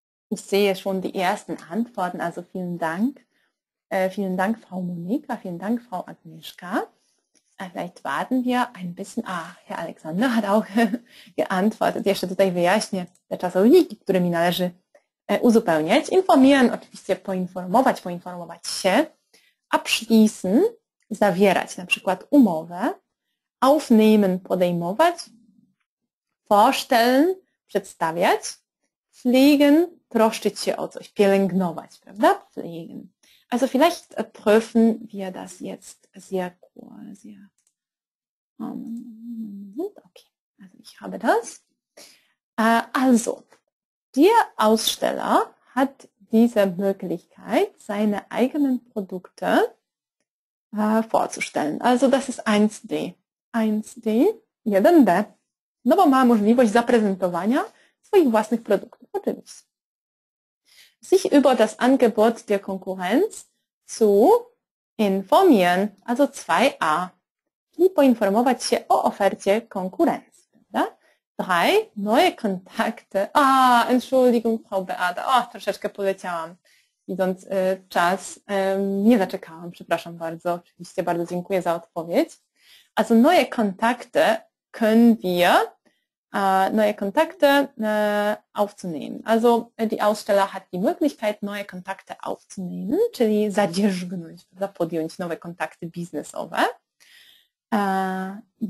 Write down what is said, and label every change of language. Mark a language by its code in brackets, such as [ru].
[de] Ich sehe schon die ersten Antworten, also vielen Dank Frau Monika, vielen Dank Frau Agnieszka. Vielleicht warten wir ein bisschen. Ah, Herr Alexander hat auch geantwortet. [pl] Jeszcze tutaj wyjaśnię te czasowniki, które mi należy uzupełniać. Informieren, oczywiście poinformować, poinformować się. Abschließen, zawierać, na przykład umowę. Aufnehmen, podejmować. Vorstellen, przedstawiać. Pflegen, troszczyć się o coś, pielęgnować, prawda? [de] Pflegen. Also vielleicht prüfen wir das jetzt sehr kurz. Okay, also ich habe das. Also, der Aussteller hat diese Möglichkeit, seine eigenen Produkte vorzustellen. Also das ist 1D. 1D, 1D. [pl] No bo ma możliwość zaprezentowania swoich własnych produktów. Oczywiście. [de] Sich über das Angebot der Konkurrenz zu informieren, also 2a, [pl] i poinformować się o ofercie Konkurrenz. Prawda? [de] 3, neue Kontakte. [pl] Ah, [de] Entschuldigung, [pl] Frau Beata, oh, troszeczkę poleciałam, widząc czas. Nie zaczekałam, przepraszam bardzo, oczywiście bardzo dziękuję za odpowiedź. [de] Also neue Kontakte können wir neue Kontakte aufzunehmen. Also die Aussteller hat die Möglichkeit, neue Kontakte aufzunehmen, [pl] czyli zadzierzgnąć, podjąć nowe kontakte biznesowe. [de] Ja.